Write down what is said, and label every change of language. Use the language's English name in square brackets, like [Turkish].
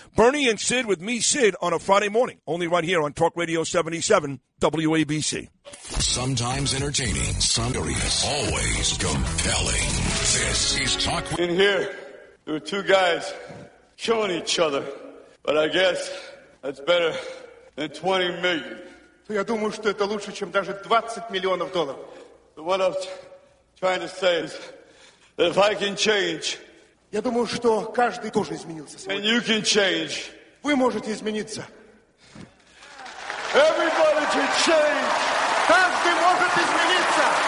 [English] Bernie and Sid with me, Sid, on a Friday morning, only right here on Talk Radio 77 WABC. Sometimes entertaining, sometimes always compelling. This is Talk. In here, there were two guys killing each other, but I guess that's better than 20 million. [Russian] Я думаю, что это лучше, чем даже 20 миллионов долларов. [English] But what I'm trying to say is that if I can change, [Russian] я думаю, что каждый тоже изменился сегодня. [English] And you can change. [Russian] Вы можете измениться. [English] Everybody can change. [Russian] Каждый может измениться.